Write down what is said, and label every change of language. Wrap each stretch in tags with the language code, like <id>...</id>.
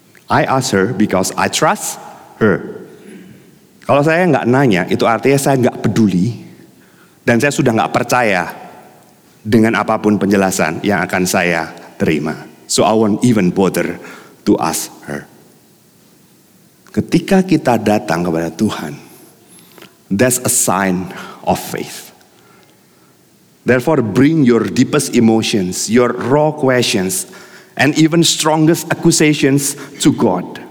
<en>I ask her because I trust her.</en> <id>Kalau saya gak nanya, itu artinya saya gak peduli. Dan saya sudah gak percaya dengan apapun penjelasan yang akan saya terima.</id> <en>So I won't even bother to ask her.</en> <id>Ketika kita datang kepada Tuhan,</id> <en>that's a sign of faith. Therefore, bring your deepest emotions, your raw questions, and even strongest accusations to God.</en>